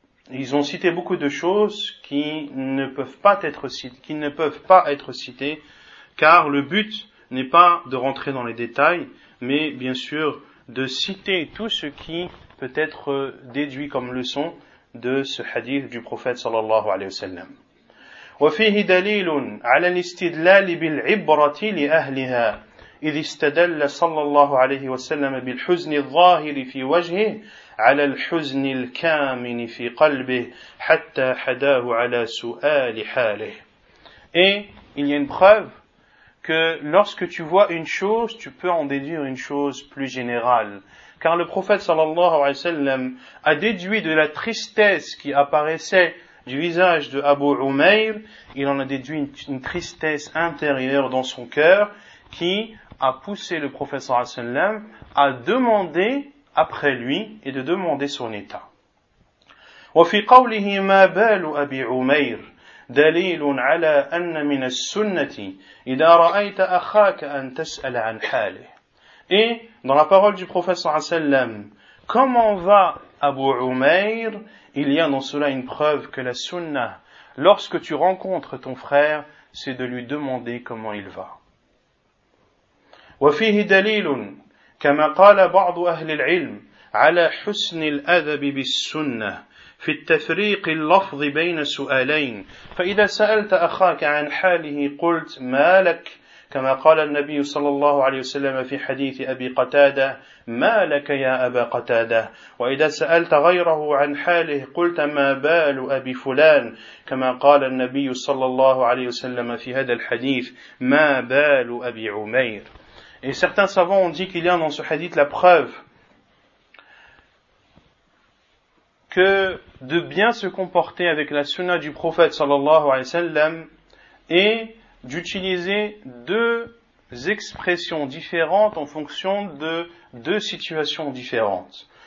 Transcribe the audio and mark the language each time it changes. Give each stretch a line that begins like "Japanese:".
French: ils ont cité beaucoup de choses qui ne peuvent pas être citées, car le but n'est pas de rentrer dans les détails, mais bien sûr de citer tout ce qui peut être déduit comme leçon de ce hadith du prophète sallallahu alayhi wa sallam.
Arabic: وفيه دليل على الاستدلال بالعبرة لأهلها إذ استدل صلى الله عليه وسلم بالحزن الظاهر في وجهه على الحزن الكامن في قلبه حتى حداه على سؤال حاله.
French: Et il y a une preuve que lorsque tu vois une chose, tu peux en déduire une chose plus générale. Car le prophète sallallahu alayhi wa sallam a déduit de la tristesse qui apparaissait du visage de Abu Umayr, il en a déduit une tristesse intérieure dans son cœur qui a poussé le prophète sallallahu alayhi wa sallam à demander après lui et de demander son état.
Arabic: وفي قوله ما بال أبي عمير دليل على أن من السنة إذا رأيت أخاك أن تسأل عن حاله.
French: Et dans la parole du prophète sallallahu alayhi wa sallam, comment va Abu Umayr? Il y a dans cela une preuve que la sunna, lorsque tu rencontres ton frère, c'est de lui demander comment il va.
Arabic: وفيه دليل كما قال بعض أهل العلم على حسن الأدب بالسنة في التفريق اللفظ بين سؤالين فإذا سألت أخاك عن حاله قلت ما لك كما قال النبي صلى الله عليه وسلم في حديث أبي قتادة ما لك يا أبا قتادة وإذا سألت غيره عن حاله قلت ما بال أبي فلان كما قال النبي صلى الله عليه وسلم في هذا الحديث ما بال أبي عمير.
French: Et certains savants ont dit qu'il y a dans ce hadith la preuve que de bien se comporter avec la sunna du prophète sallallahu alayhi wa sallam et d'utiliser deux expressions différentes en fonction de deux situations différentes.